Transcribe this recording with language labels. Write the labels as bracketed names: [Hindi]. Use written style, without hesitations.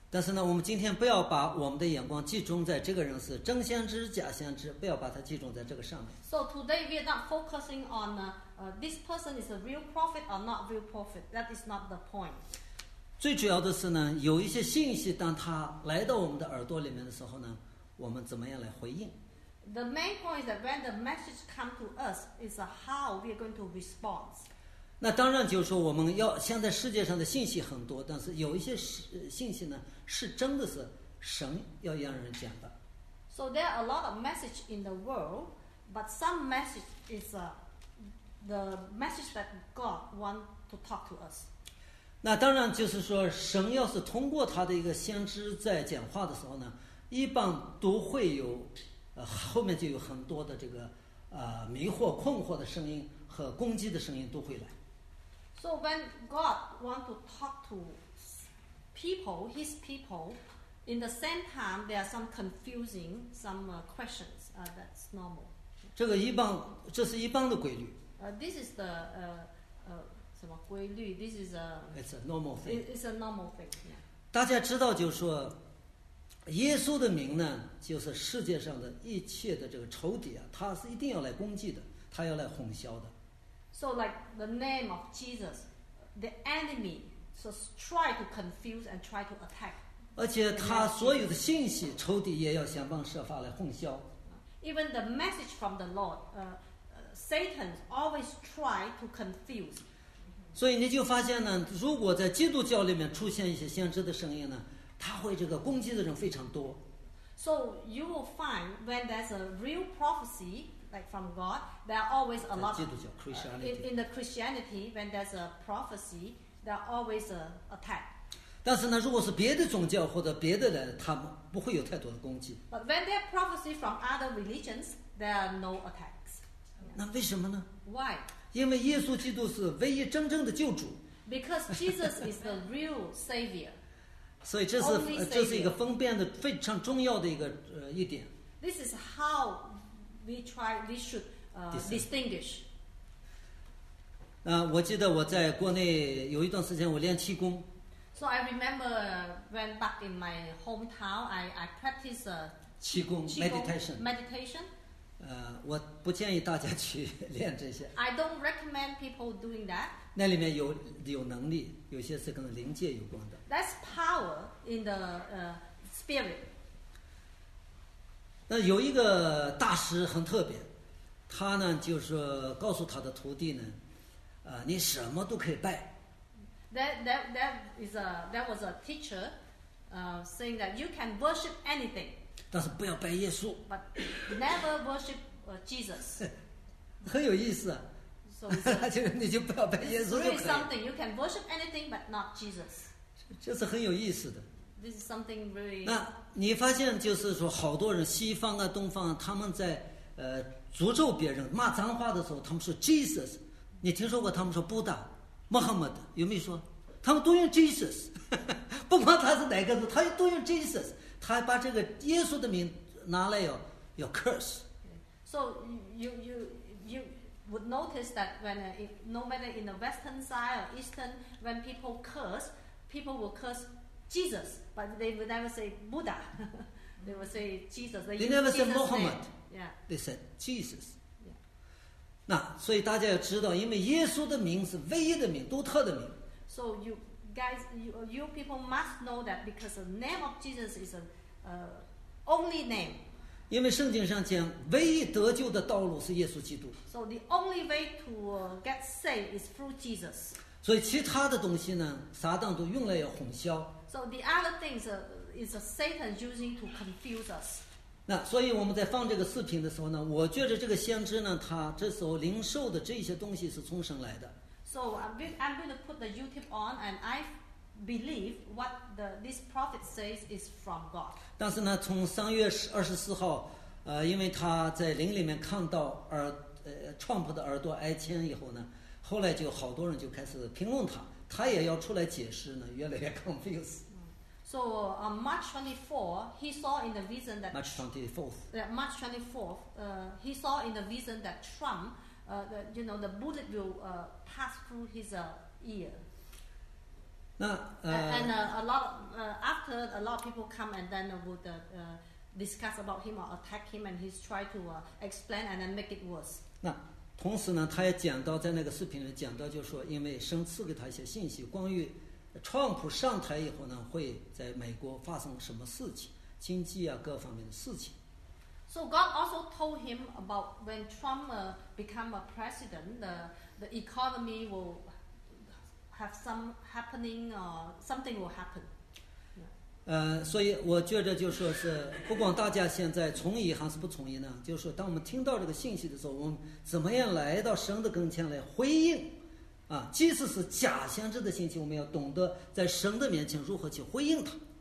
[Chinese] 但是呢，我们今天不要把我们的眼光集中在这个人是真先知、假先知，不要把它集中在这个上面。 [English] So today we are not focusing on this person is a real prophet or not real prophet. That is not the point. [Chinese] 最主要的是呢，有一些信息当它来到我们的耳朵里面的时候呢，我们怎么样来回应？ [English] The main point is that when the message comes to us, is how we are going to respond. [Chinese] 那当然就是说，我们要现在世界上的信息很多，但是有一些信息呢，是真的是神要让人讲的。 [English] So there are a lot of message in the world, but some message is the message that God want to talk to us. [Chinese] 那当然就是说，神要是通过他的一个先知在讲话的时候呢，一般都会有后面就有很多的这个迷惑、困惑的声音和攻击的声音都会来。 [English] So when God want to talk to people, His people, in the same time there are some confusing, some questions. That's normal. [Chinese] 这个一般，这是一般的规律。 [English] This is the [Chinese] 什么规律 [English] ？This is a. It's a normal thing. It's a normal thing. Yeah. [Chinese] 大家知道，就是说，耶稣的名呢，就是世界上的一切的这个仇敌啊，他是一定要来攻击的，他要来哄笑的。 [English] So like the name of Jesus, the enemy so try to confuse and try to attack. [Chinese] 而且他所有的信息，仇敌也要想方设法来哄笑。 [English] Even the message from the Lord, Satan always try to confuse. [Chinese] 所以你就发现呢，如果在基督教里面出现一些先知的声音呢，他会这个攻击的人非常多。 [English] So you will find when there's a real prophecy. Like from God, there are always a lot. [Chinese] 基督教 Christianity. [English] In the Christianity, when there's a prophecy, there are always a attack. [Chinese] 但是呢，如果是别的宗教或者别的人，他们不会有太多的攻击。 [English] But when there are prophecy from other religions, there are no attacks. [Chinese] 那为什么呢 [English] ？Why? [Chinese] 因为耶稣基督是唯一真正的救主。 [English] Because Jesus is the real Savior. [Chinese] 所以这是这是一个分辨的非常重要的一个一点。 [English] This is how. We should distinguish. [Chinese] 我记得我在国内有一段时间我练气功。 [English] So I remember when back in my hometown, I practice [Chinese] 气功 meditation. [English] Meditation. [Chinese] 我不建议大家去练这些。 [English] I don't recommend people doing that. [Chinese] 那里面有能力，有些是跟灵界有关的。 [English] That's power in the spirit. [Chinese] 那有一个大师很特别，他呢就是告诉他的徒弟呢，你什么都可以拜。 [English] That was a teacher, saying that you can worship anything. [Chinese] 但是不要拜耶稣。 [English] But never worship Jesus. [Chinese] 很有意思啊。 [English] So [Chinese] 就你就不要拜耶稣就可以。 [English] It's really something. You can worship anything, but not Jesus. [Chinese] 这是很有意思的。 [English] This is something really. [Chinese] 那你发现就是说，好多人西方啊、东方啊，他们在诅咒别人、骂脏话的时候，他们说 Jesus。你听说过他们说 Buddha、Muhammad 有没有说？他们都用 Jesus， 不管他是哪个字，他都用 Jesus。他还把这个耶稣的名拿来要 curse。 [English] Okay. So you would notice that when no matter in the Western side or Eastern, when people will curse. Jesus, but they would never say Buddha. They would say Jesus. They never say Muhammad. Yeah. They said Jesus. Yeah. [Chinese] 那所以大家要知道，因为耶稣的名是唯一的名，独特的名。 [English] So you guys, you people must know that because the name of Jesus is a only name. [Chinese] 因为圣经上讲，唯一得救的道路是耶稣基督。 [English] So the only way to get saved is through Jesus. [Chinese] 所以其他的东西呢，撒旦都用来要哄笑。 [English] So the other things is Satan using to confuse us. [Chinese] 那所以我们在放这个视频的时候呢，我觉得这个先知呢，他这时候灵受的这些东西是从神来的。 [English] So I'm going to put the YouTube on, and I believe what this prophet says is from God. [Chinese] 但是呢，从三月二十四号，因为他在灵里面看到Trump 的耳朵挨签以后呢，后来就好多人就开始评论他。他也要出来解释呢，越来越 confused. [English] So on March 24th, he saw in the vision that March 24th. Yeah, March 24th, he saw in the vision that Trump, the bullet will pass through his ear. 那 And a lot of, after a lot of people come and then would discuss about him or attack him, and he's try to explain and then make it worse. [Chinese] 那同时呢，他也讲到在那个视频里讲到，就是说因为神赐给他一些信息，关于川普上台以后呢，会在美国发生什么事情，经济啊各方面的事情。 [English] So God also told him about when Trump become a president, the economy will have some happening or something will happen. [Chinese] 所以我觉得就是说是不管大家现在从义还是不从义呢，就是说当我们听到这个信息的时候，我们怎么样来到神的跟前来回应啊，即使是假先知的信息，我们要懂得在神的面前如何去回应他。